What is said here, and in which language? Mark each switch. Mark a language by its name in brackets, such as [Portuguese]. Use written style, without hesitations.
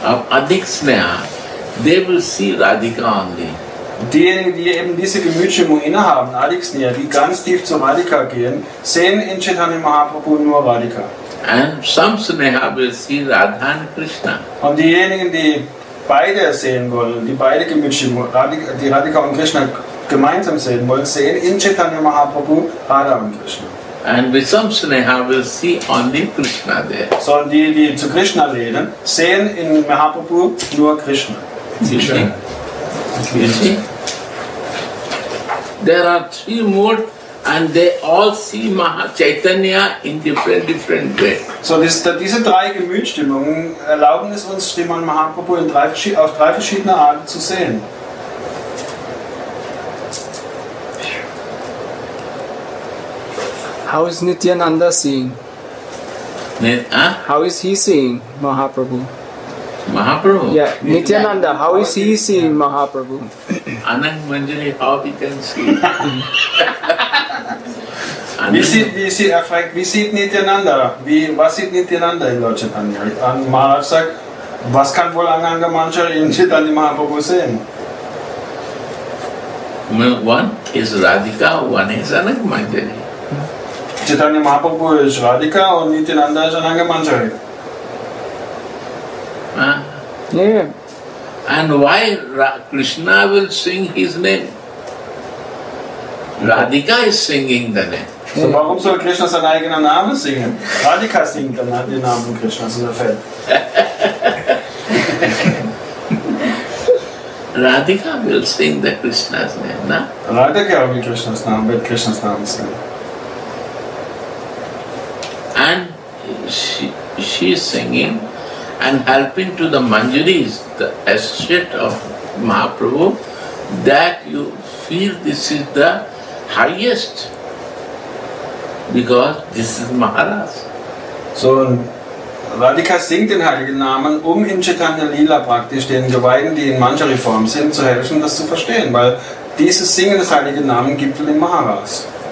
[English] Adhik Sneha, they will see Radhika only. [German] Diejenigen, die eben diese Gemütsstimmung innehaben, Adhik Sneha, die ganz tief zu Radhika gehen, sehen in Chaitanya Mahaprabhu nur Radhika. [English] And some Sneha will see Radha and Krishna. [German] Und diejenigen, die beide sehen wollen, die beide die Radhika und Krishna gemeinsam sehen wollen, sehen in Chaitanya Mahaprabhu Radha und Krishna. [English] And with some sneha will see only Krishna there. [German] So die, die zu Krishna reden, sehen in Mahaprabhu nur Krishna. [English] You see? There are three modes and they all see Mahachaitanya in different way. [German] So diese drei Gemütsstimmungen erlauben es uns, Sriman Mahaprabhu auf drei verschiedene Arten zu sehen. [English] How is Nityananda seeing? How is he seeing Mahaprabhu? Mahaprabhu? Yeah, Nityananda, how is he seeing Mahaprabhu? Anand Manjari, how he can see? [German] Wie sieht Nityananda? Was sieht Nityananda in Lord Chaitanya? Und Maharaj sagt, was kann wohl Anand Manjari in Chaitanya Mahaprabhu sehen? [English] One is Radhika, one is Anand Manjari. [German] Chaitanya Mahaprabhu ist Radhika und Nityananda ist Anand Manjari. [English] And why Krishna will sing his name? Radhika is singing the name. [German] So warum soll Krishna seinen eigenen Namen singen? Radhika singt dann den Namen Krishna, so der Fall. [English] Radhika will sing the Krishna's name, na? Radhika will Krishna's name, but Krishna's name sing. And she is singing and helping to the Manjaris, the associate of Mahaprabhu, that you feel this is the highest, because this is Maharas. [German] So, Radhika singt den heiligen Namen, um in Chaitanya Lila praktisch den Geweihten, die in Manjari Form sind, zu helfen, das zu verstehen, weil dieses Singen des heiligen Namen gipfelt in Maharas.